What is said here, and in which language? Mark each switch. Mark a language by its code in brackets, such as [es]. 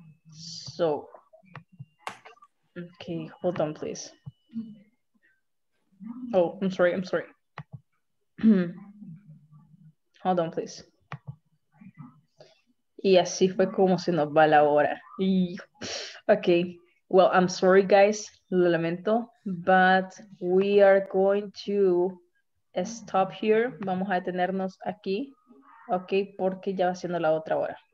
[en] So, okay, hold on please. Oh, I'm sorry. Hold on please. [es] Y así fue como se nos va la hora. [en] Okay, well, I'm sorry guys, [es] lo lamento, [en] but we are going to stop here. [es] Vamos a detenernos aquí. Okay, porque ya va siendo la otra hora.